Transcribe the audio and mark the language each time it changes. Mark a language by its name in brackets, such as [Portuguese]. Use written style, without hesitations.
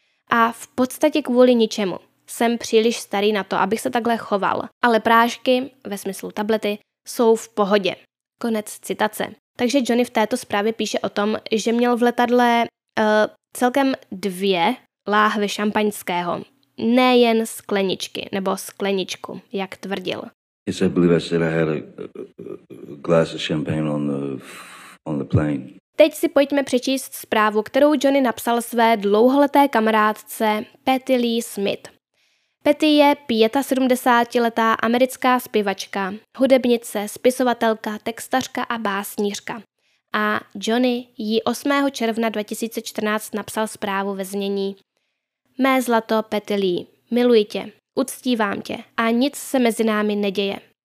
[Czech] A v podstatě kvůli ničemu. Jsem příliš starý na to, abych se takhle choval. Ale prášky, ve smyslu tablety, jsou v pohodě. Konec citace. Takže Johnny v této zprávě píše o tom, že měl v letadle celkem dvě láhve šampaňského. Ne jen skleničky, nebo skleničku, jak tvrdil. [English] I believe I said I had a glass of champagne on the on the plane. [Czech] Teď si pojďme přečíst zprávu, kterou Johnny napsal své dlouholeté kamarádce Patty Lee Smith. Patty je 75-letá americká zpěvačka, hudebnice, spisovatelka, textařka a básnířka. A Johnny jí 8. června 2014 napsal zprávu ve znění: Mé zlato Patty Lee, miluji tě, uctívám tě a nic se mezi námi neděje.